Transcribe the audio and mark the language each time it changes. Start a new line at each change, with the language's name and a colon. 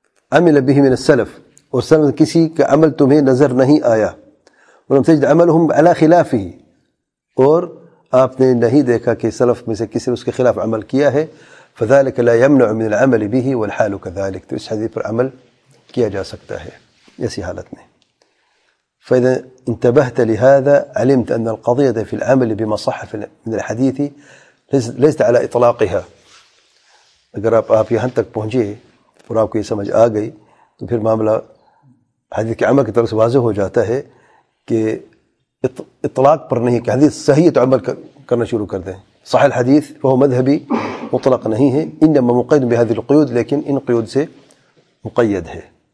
Arabic: عمل به من السلف,
Urdu: اور سلف کسی کا عمل تمہیں نظر نہیں آیا,
Arabic: ولم تجد عملهم على خلافه,
Urdu: اور آپ نے نہیں دیکھا کہ سلف میں سے کسی نے اس کے خلاف عمل کیا ہے,
Arabic: فذلك لا يمنع من العمل به والحال كذلك,
Urdu: تو اس حدیث پر عمل کیا جا سکتا ہے ایسی حالت میں.
Arabic: فإذا انتبهت لهذا علمت أن القضية في العمل بما صح من الحديث ليست على إطلاقها.
Urdu: اگر آپ یہاں تک پہنچے اور آپ کو یہ سمجھ آ گئی تو پھر معاملہ حدیث کے عمل کی طرف سے واضح ہو جاتا ہے کہ اطلاق پر نہیں, کہ حدیث صحیح تو عمل کرنا شروع کر دیں. صح الحدیث وہ مذهبی مطلق نہیں ہے,
Arabic: انما مقید بهذه القيود,
Urdu: لیکن ان قیود سے مقید ہے.